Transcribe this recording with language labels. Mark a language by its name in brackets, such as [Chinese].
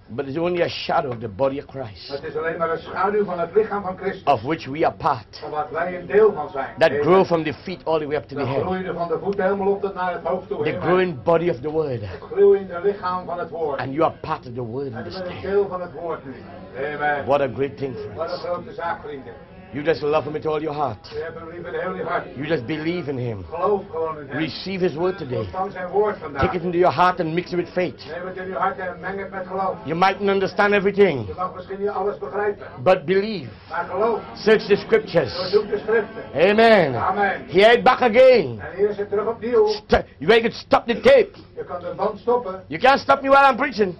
[English] But it's only a shadow of the body of Christ. [Dutch] Het is alleen maar een schaduw van het lichaam van Christus. [English] Of which we are part. [Dutch] Van wat wij een deel van zijn. [English] That grew from the feet all the way up to the head. [Dutch] Dat groeide van de voeten helemaal op tot naar het hoofd toe. [English] The growing body of the Word. [Dutch] Het groeiende lichaam van het woord. [English] And you are part of the Word. [Dutch] En je bent een deel van het woord nu. Amen. [English] What a great thing for us. [Dutch] Wat een grote zaak, vrienden. [English] You just love him with all your heart. You just believe in him. [Dutch] Geloof gewoon in [English] him. Receive his word today. [Dutch] Zijn woord vandaag. [English] Take it into your heart and mix it with faith. [Dutch] Neem het in je hart en meng het met geloof. [English] You mightn't understand everything. [Dutch] Je mag misschien niet alles begrijpen. [English] But believe. [Dutch] Maar geloof. [English] Search the scriptures. [Dutch] Doorzoek de schriften. Amen. Amen. [English] Hear it back again. [Dutch] En hier is het terug opnieuw. [English] You make it stop the tape. [Dutch] Je kan de band stoppen. [English] You can't stop me while I'm preaching.